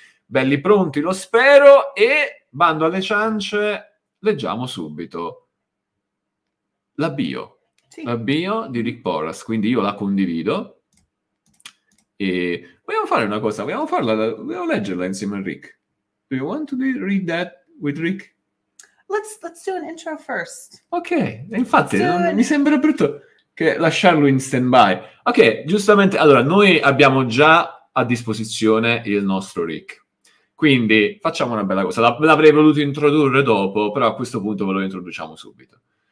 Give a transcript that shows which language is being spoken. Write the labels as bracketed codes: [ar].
[it] Belli pronti, lo spero, e bando alle ciance, leggiamo subito l'avvio. Sì. L'avvio di Rick PORRAS, quindi io la condivido. E vogliamo fare una cosa, vogliamo leggerla insieme a Rick. [en] Do you want to read that with Rick? Let's do an intro first. [it] Ok, infatti non, mi sembra brutto che lasciarlo in stand-by. Ok, giustamente, allora, noi abbiamo già a disposizione il nostro Rick. Quindi facciamo una bella cosa, l'avrei voluto introdurre dopo, però a questo punto ve lo introduciamo subito.